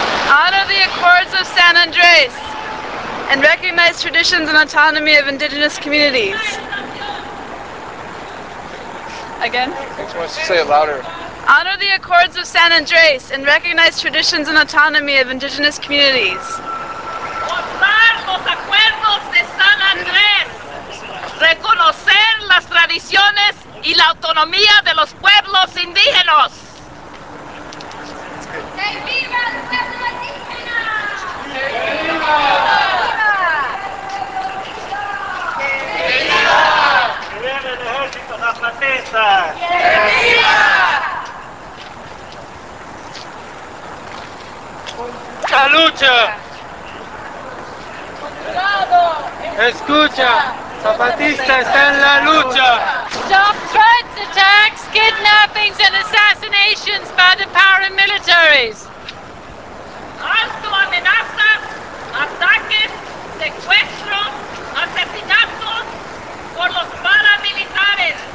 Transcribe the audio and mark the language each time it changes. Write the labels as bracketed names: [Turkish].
[English] Honor the Accords of San Andres and recognize traditions and autonomy of indigenous communities. Again? Say it louder. Honor the Accords of San Andres and recognize traditions and autonomy of indigenous communities. [Spanish] Honrar los acuerdos de San Andres. Reconocer las tradiciones y la autonomía de los pueblos indígenas. ¡Que viva el pueblo indígena! ¡Que viva! La lucha. Escucha, Zapatista está en la lucha. [English] Stop threats, attacks, kidnappings and assassinations by the paramilitaries. [Spanish] Alto amenazas, ataques, secuestros, asesinatos por los paramilitares.